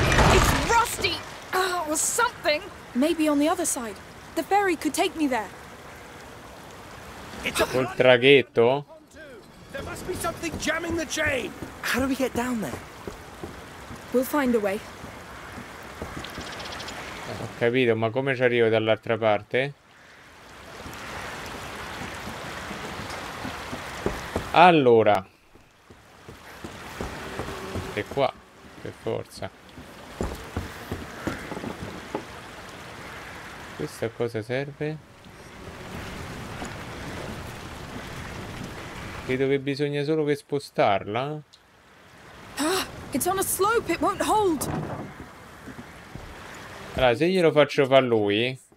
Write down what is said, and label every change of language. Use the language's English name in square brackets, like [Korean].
[English] It's rusty. Or something. Maybe on the other side. The ferry could take me there. [Italian] Col traghetto? [English] There must be something jamming the chain. How do we get down there? We'll find a way. [Italian] Ho capito, ma come ci arrivo dall'altra parte? Allora. E qua, per forza. Questa cosa serve? Credo che bisogna solo che spostarla. [English] It's on a slope, it won't hold. [Italian] Allora, se glielo faccio fare lui.